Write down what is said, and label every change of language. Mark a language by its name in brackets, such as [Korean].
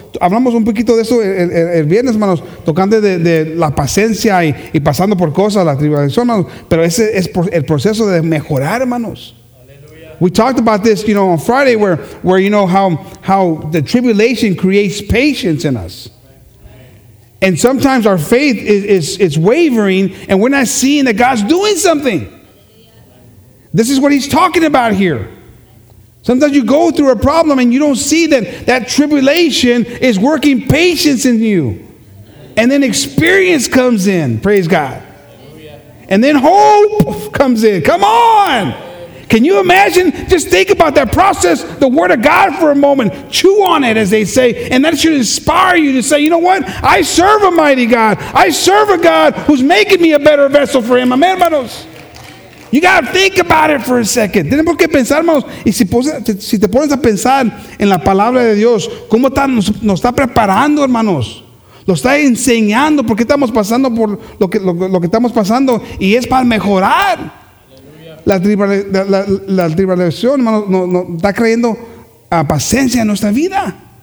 [Spanish] Hablamos un poquito de eso el viernes, hermanos, tocando de la paciencia y pasando por cosas, la tribulación, hermanos. Pero ese es el proceso de mejorar, hermanos. Aleluya. [English] We talked about this, on Friday, where how the tribulation creates patience in us. And sometimes our faith is wavering, and we're not seeing that God's doing something. This is what he's talking about here. Sometimes you go through a problem and you don't see that tribulation is working patience in you. And then experience comes in. Praise God. And then hope comes in. Come on. Can you imagine? Just think about that process, the word of God for a moment. Chew on it, as they say. And that should inspire you to say, you know what? I serve a mighty God. I serve a God who's making me a better vessel for him. Amen, hermanos. You got to think about it for a second. [Spanish] Tenemos que pensar, hermanos. Y si te pones a pensar en la palabra de Dios, cómo nos está preparando, hermanos. Nos está enseñando por qué estamos pasando por lo que estamos pasando. Y es para mejorar. La tribulación, hermanos, nos está creyendo a paciencia en nuestra vida.